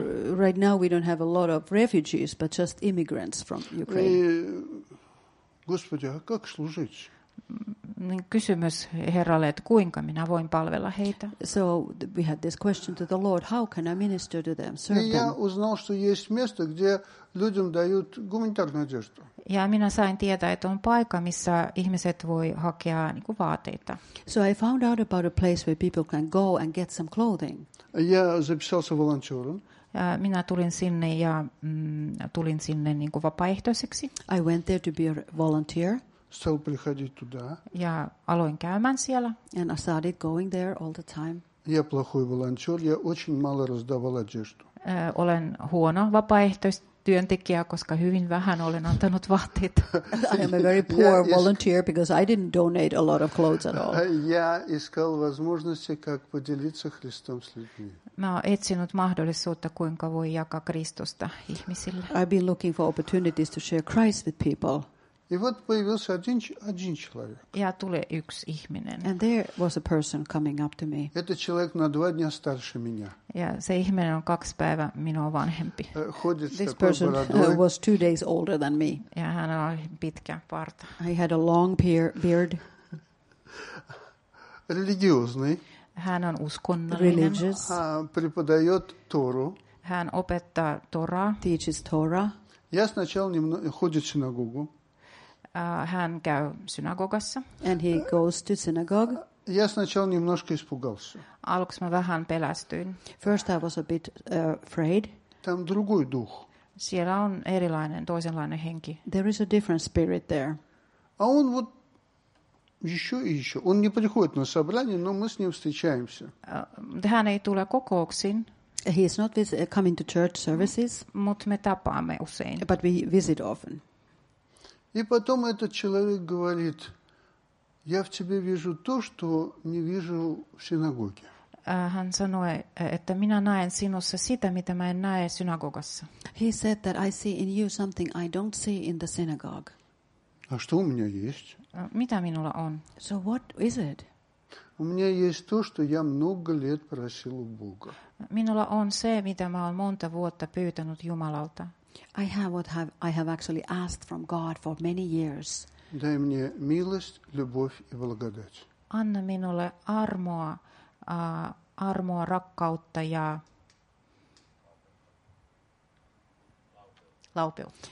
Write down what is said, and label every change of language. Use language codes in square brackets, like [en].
[en] So, right now we don't have a lot of refugees, but just immigrants from Ukraine. [ru] Господи, а как служить? [fi] Kysymys Herralle, että kuinka minä voin palvella heitä. [en] So we had this question to the Lord, how can I minister to them, serve them? [ru] Узнал, что есть место, где людям дают гуманитарную одежду. [fi] Ja minä sain tietää, että on paikka, missä ihmiset voi hakea niinku vaatteita. [en] So I found out about a place where people can go and get some clothing. [ru] Я записался волонтером. [fi] Minä tulin sinne ja tulin sinne niinku vapaaehtoiseksi. [en] I went there to be a volunteer. [ru] Стал приходить туда. [fi] Ja aloin käymään siellä. [en] And I started going there all the time. [ru] Я плохой волонтер, я очень мало раздавал одежду. [fi] Olen huono vapaaehtoistyöntekijä, koska hyvin vähän olen antanut vaatteita. [en] I am a very poor volunteer because I didn't donate a lot of clothes at all. [ru] Я искал возможности, как поделиться Христом с людьми. [fi] Mä oon etsinyt mahdollisuutta, kuinka voi jakaa Kristusta ihmisille. [en] I've been looking for opportunities to share Christ with people. [ru] И вот появился один человек. [fi] Ja tuli yksi ihminen. [en] And there was a person coming up to me. [ru] Этот человек на два дня старше меня. [fi] Ja se ihminen on kaksi päivää minua vanhempi. [ru] Ходит [en] this person [ru] бородой. [en] Was two days older than me. [fi] Ja hän oli pitkä parta. [en] He had a long beard. [ru] Религиозный. [fi] Hän on uskonnollinen. [en] Religious. [ru] Преподает Тору. [fi] Hän opettaa Toraa. [en] Teaches Torah. [ru] Я сначала немного ходит в синагогу. [fi] Hän käy synagogassa. [en] And he goes to synagogue. [ru] Я сначала немножко испугался. [fi] Aluksi mä vähän pelästyin. [en] First I was a bit afraid. [ru] Там другой дух. [fi] Siellä on erilainen, toisenlainen henki. [en] There is a different spirit there. [ru] А он вот еще и еще. Он не приходит на собрание, но мы с ним встречаемся. [fi] Hän ei tule kokouksiin. [en] He is not coming to church services. [fi] Mut me tapaamme usein. [en] But we visit often. [ru] И потом этот человек говорит: «Я в тебе вижу то, что не вижу в синагоге». [fi] Hän sanoi, että minä näen sinussa sitä, mitä mä en näe synagogassa. [en] He said that I see in you something I don't see in the synagogue. [ru] А что у меня есть? [fi] Mitä minulla on? [en] So what is it? [ru] У меня есть то, что я много лет просил у Бога. [fi] Minulla on se, mitä mä olen monta vuotta pyytänyt Jumalalta. [en] I have what have I have actually asked from God for many years. [ru] Дай мне милость, любовь и благодать. [fi] Anna minulle armoa, armoa, rakkautta ja laupeu.